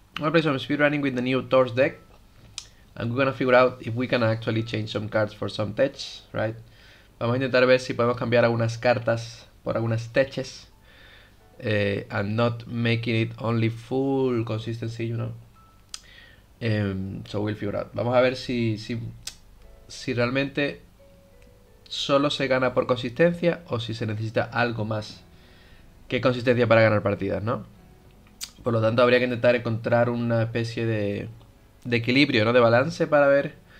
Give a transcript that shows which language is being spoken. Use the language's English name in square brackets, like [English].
[English] I'm gonna play some speedrunning with the new Torres deck. And we're gonna figure out if we can actually change some cards for some tech, right? [Spanish] Vamos a intentar ver si podemos cambiar algunas cartas por algunas teches. [English] And not making it only full consistency, you know. So we'll figure out. [Spanish] Vamos a ver si realmente solo se gana por consistencia o si se necesita algo más que consistencia para ganar partidas, ¿no? Por lo tanto, habría que intentar encontrar una especie de equilibrio, ¿no? De balance para ver.